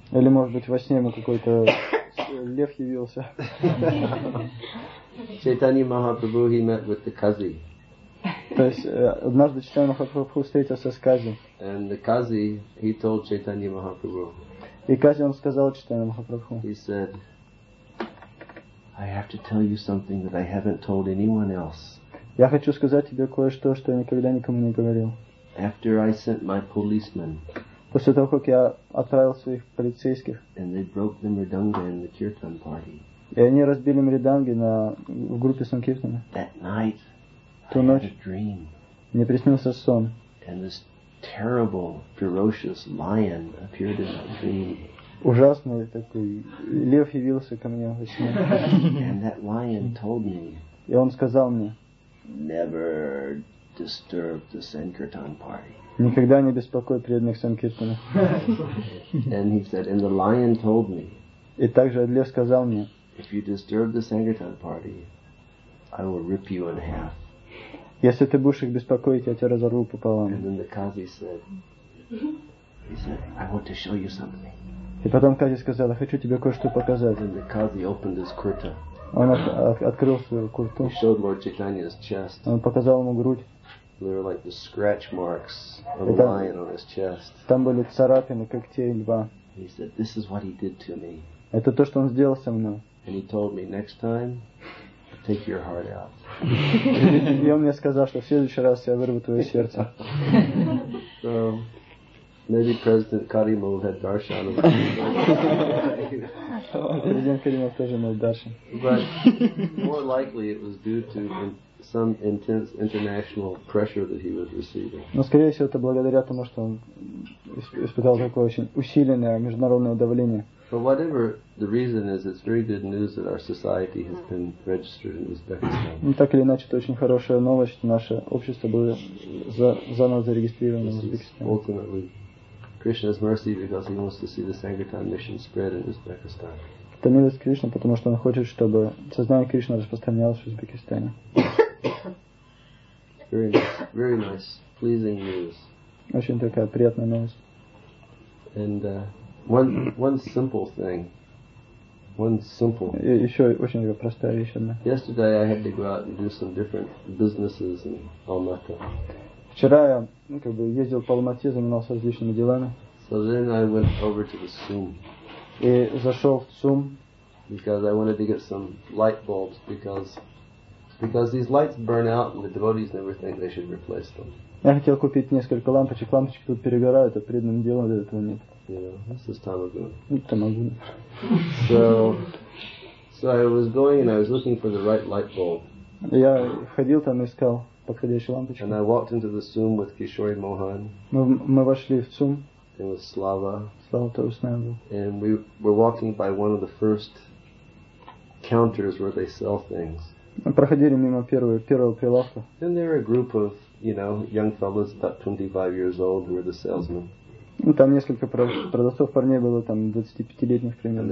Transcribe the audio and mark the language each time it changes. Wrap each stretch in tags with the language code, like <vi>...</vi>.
<ru>Или может быть во сне ему какой-то лев явился.</ru> <en>Чайтанья Махапрабху he met with the Kazi.</en> <ru>То есть однажды Чайтанья Махапрабху встретился с Кази.</ru> <en>And the Kazi he told Чайтанья Махапрабху.</en> <ru>И Кази он сказал Чайтанья Махапрабху.</ru> <en>He said, I have to tell you something that I haven't told anyone else.</en> <ru>Я хочу сказать тебе кое-что, что я никогда никому не говорил.</ru> <en>After I sent my policemen,</en> <ru>после того как я отправил своих полицейских,</ru> <en>and they broke the mridanga in the kirtan party,</en> <ru>и они разбили мриданги на в группе санкиртана.</ru> <en>That night,</en> <ru>ту ночь,</ru> <en>I had a dream,</en> <ru>мне приснился сон,</ru> <en>and this terrible, ferocious lion appeared in my dream.</en> <ru>Ужасный такой лев явился ко мне во сне.</ru> <en>And that lion told me,</en> <ru>и он сказал мне,</ru> <en>never disturb the Sankirtan party.</en> <ru>Никогда не беспокой преданных Санкиртана.</ru> <en>And he said, and the lion told me.</en> <ru>И также лев сказал мне.</ru> <en>If you disturb the Sankirtan party, I will rip you in half.</en> <ru>Если ты будешь их беспокоить, я тебя разорву пополам.</ru> <en>And then the Kazi said, he said, I want to show you something.</en> <ru>И потом Кази сказал, я хочу тебе кое-что показать.</ru> <en>And the Kazi opened his kurta.</en> <ru>Он открыл свою куртку.</ru> <en>He showed Lord Chaitanya's chest.</en> <ru>Он показал ему грудь.</ru> <en>There were like the scratch marks of a lion on his chest.</en> <ru>Там были царапины когтей льва.</ru> <en>He said, "This is what he did to me."</en> <ru>Это то, что он сделал со мной.</ru> <en>And he told me, "Next time, take your heart out."</en> <ru>И он мне сказал, что в следующий раз я вырву твое сердце.</ru> <en>So, maybe President Karimov had darshan.</en> <ru>President Karimov тоже мой даршан.</ru> <en>But more likely it was due to some intense international pressure that he was receiving.</en> <ru>Но скорее всего это благодаря тому, что он испытал такое очень усиленное международное давление.</ru> <en>But whatever the reason is, it's very good news that our society has been registered in Uzbekistan.</en> <ru>Так или иначе, это очень хорошая новость, что наше общество было заново зарегистрировано в Узбекистане.</ru> <en>Krishna's mercy because he wants to see the Sankirtan mission spread in Uzbekistan.</en> <ru>Это милость Кришны, потому что он хочет, чтобы сознание Кришны распространялось в Узбекистане.</ru> <en>Very nice, pleasing news.</en> <ru>Очень такая приятная новость.</ru> <en>And one simple thing.</en> <ru>Еще очень такая простая вещь одна.</ru> <en>Yesterday I had to go out and do some different businesses in Almaty.</en> <ru>Вчера я как бы ездил по Алмате, занимался различными делами.</ru> <en>So then I went over to the Sum.</en> <ru>И зашел в Сум.</ru> <en>Because I wanted to get some light bulbs because these lights burn out and the devotees never think they should replace them.</en> <ru>Я хотел купить несколько лампочек. Лампочки тут перегорают, а преданным делом для этого нет.</ru> <en>Yeah, this is Tamaguna.</en> <ru>Это Тамагуна.</ru> <en>So I was going and I was looking for the right light bulb.</en> <ru>Я ходил там, искал подходящую лампочку.</ru> <en>And I walked into the Tsum with Kishori Mohan.</en> <ru>Мы вошли в Tsum.</ru> <en>It was Slava. Slava to Usnambu. And we were walking by one of the first counters where they sell things.</en> <ru>Проходили мимо первого прилавка.</ru> <en>And there were a group of, you know, young fellows about 25 years old who were the salesmen.</en> <ru>Там несколько продавцов парней было, там 25-летних примерно.</ru>